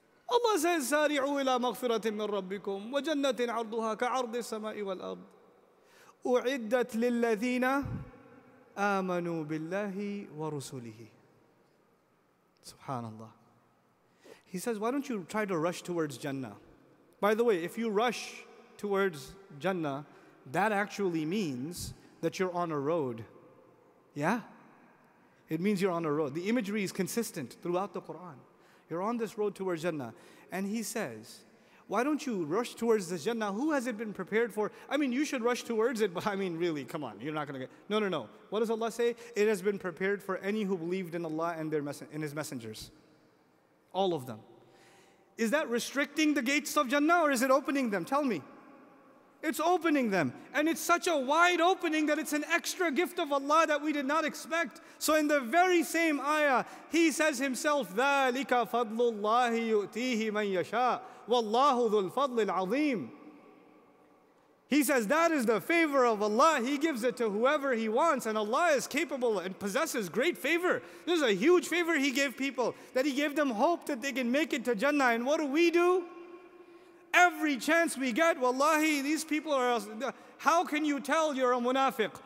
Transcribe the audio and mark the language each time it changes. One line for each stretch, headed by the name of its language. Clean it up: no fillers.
English: Allah says,
Arabic: سارعوا إلى مغفرة من ربكم وجنة عرضها كعرض السماء والأرض أعدت للذين آمنوا بالله ورسله. Subhanallah.
English: He says, why don't you try to rush towards Jannah? By the way, if you rush towards Jannah, that actually means that you're on a road. Yeah? It means you're on a road. The imagery is consistent throughout the Quran. You're on this road towards Jannah. And he says, why don't you rush towards the Jannah? Who has it been prepared for? I mean, you should rush towards it, but I mean, really, come on. You're not going to get... No, no, no. What does Allah say? It has been prepared for any who believed in Allah and in His messengers. All of them. Is that restricting the gates of Jannah or is it opening them? Tell me. It's opening them. And it's such a wide opening that it's an extra gift of Allah that we did not expect. So in the very same ayah, He says Himself,
Arabic: ذَلِكَ فَضْلُ اللَّهِ يُؤْتِيهِ مَنْ يَشَاءُ وَاللَّهُ ذُو الْفَضْلِ الْعَظِيمِ.
English: He says that is the favor of Allah. He gives it to whoever He wants. And Allah is capable and possesses great favor. This is a huge favor He gave people. That He gave them hope that they can make it to Jannah. And what do we do? Every chance we get, wallahi, these people are... How can you tell you're a munafiq?